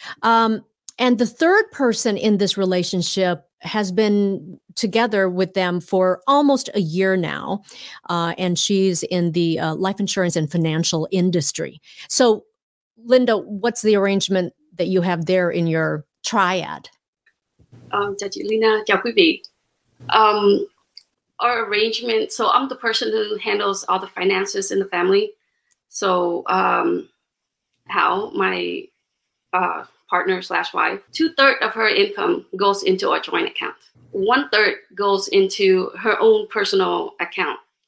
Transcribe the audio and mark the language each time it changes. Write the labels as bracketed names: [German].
[English] And the third person in this relationship has been together with them for almost a year now, and she's in the life insurance and financial industry. So, Linda, what's the arrangement that you have there in your triad? [Vietnamese] Chào chị Leyna, chào quý vị. [English] Our arrangement, so I'm the person who handles all the finances in the family. So, how my partner slash wife, 2/3 of her income goes into our joint account. 1/3 goes into her own personal account.